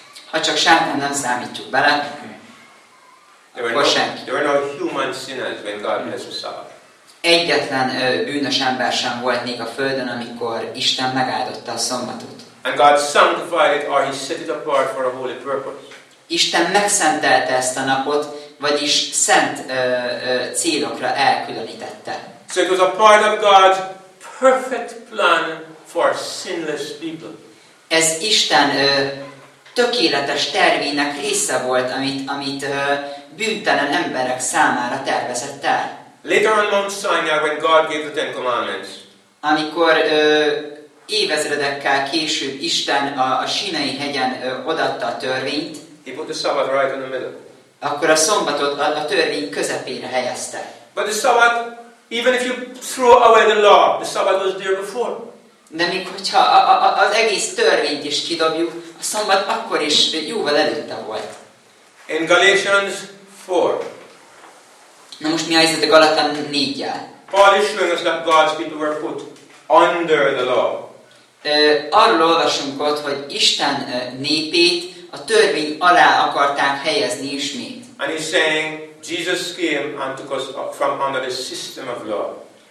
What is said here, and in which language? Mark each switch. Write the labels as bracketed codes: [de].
[hu] Ha csak Sátán nem számítjuk bele, akkor senki. [en] There were no human sinners when God blessed the Sabbath. [hu] Egyetlen bűnös ember sem volt még a Földön, amikor Isten megáldotta a szombatot. [en] And God sanctified it, or he set it apart for a holy purpose. [hu] Isten megszentelte ezt a napot, vagyis szent célokra elkülönítette. [en] So it was a part of God's perfect plan for sinless people. [hu] Ez Isten tökéletes tervének része volt, amit bűntelen emberek számára tervezett el. [en] Later on Mount Sinai, when God gave the Ten Commandments. [hu] Amikor évezredekkel később Isten a Sinai hegyen odaadta a törvényt, [en] he put the Sabbath right in the middle. [hu] Akkor a szombatot a törvény közepére helyezte. [en] But the Sabbath, even if you throw away the law, the Sabbath was there before. [hu] De még hogyha az egész törvényt is kidobjuk, a szombat akkor is jóval előtte volt. [en] In Galatians 4. [hu] Na most mi helyzet a Galatán 4-jel? [en] Paul is showing us that God's people were put under the law. [hu] Arról olvasunk ott, hogy Isten népét a törvény alá akarták helyezni ismét. [en] And he's saying, Jesus came and took us up from under the system of law.